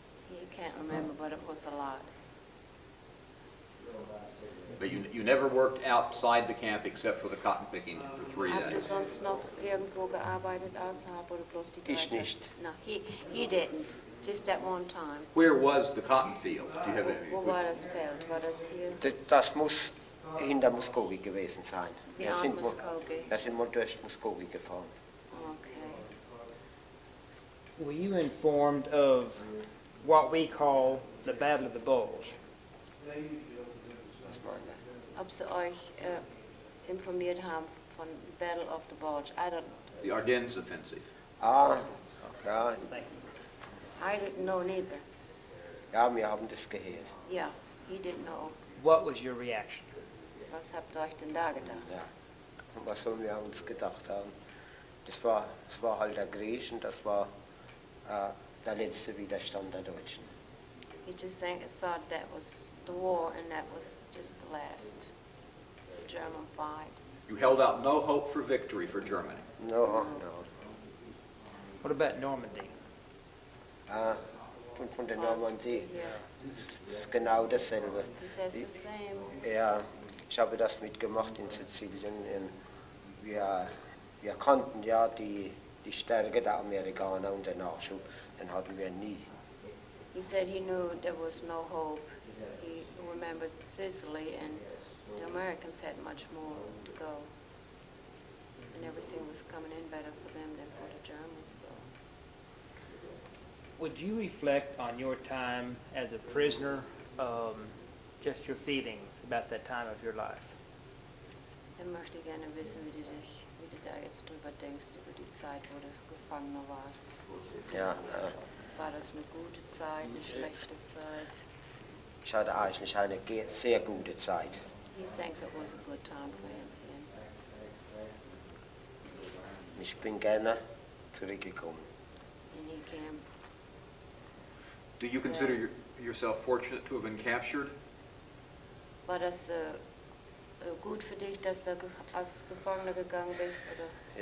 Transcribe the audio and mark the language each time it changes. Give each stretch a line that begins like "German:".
English: You can't remember, but it was a lot. But you never worked outside the camp except for the cotton picking for 3 days.
German: Habt ihr sonst noch irgendwo gearbeitet außerhalb oder bloß die 3 Tage? Ich nicht.
English: No, he didn't. Just that one time. Where was the cotton field? Do you have
German: wo war das Feld? War das hier? Das muss hinter Muskogee gewesen sein. Ja, wir sind Muskogee. Wir sind durch Muskogee gefahren.
English: Okay. Were you informed of what we call the Battle of the Bulge?
German: Was meint er? Ob sie euch informiert haben von Battle of the Bulge?
English: I don't. The Ardennes Offensive.
German: Ah, ja.
English: I didn't know neither.
German: Ja, wir haben das gehört.
English: Yeah, he didn't know. What was your reaction?
German: Was habt ihr euch denn da gedacht? Ja, und was sollen wir uns gedacht haben? Das war halt der Griechen, das war der letzte Widerstand der Deutschen.
English: You just thought that was the war and that was just the last German fight. You held out no hope for victory for Germany? No, no. What about Normandy?
German: Von der Normandie.
English: Yeah.
German: Ist genau dasselbe.
English: Is that the same?
German: Ja, ich habe das mitgemacht in Sizilien. Wir kannten ja die Stärke der Amerikaner und den Nachschub. Den hatten wir nie.
English: He said he knew there was no hope. He remembered Sicily and the Americans had much more to go. And everything was coming in better for them than for the Germans. Would you reflect on your time as a prisoner, just your feelings about that time of your life?
German: Dann möchte ich gerne wissen, wie du da jetzt drüber denkst, über die Zeit, wo du gefangen warst. Ja, war das eine gute Zeit, eine schlechte Zeit? Ich hatte eigentlich eine sehr gute Zeit.
English: He thinks it was a good time for him.
German: Ich bin gerne zurückgekommen.
English: And he came. Do you consider yourself fortunate to have been captured?
German: War das gut für dich, dass du als Gefangener gegangen bist, oder?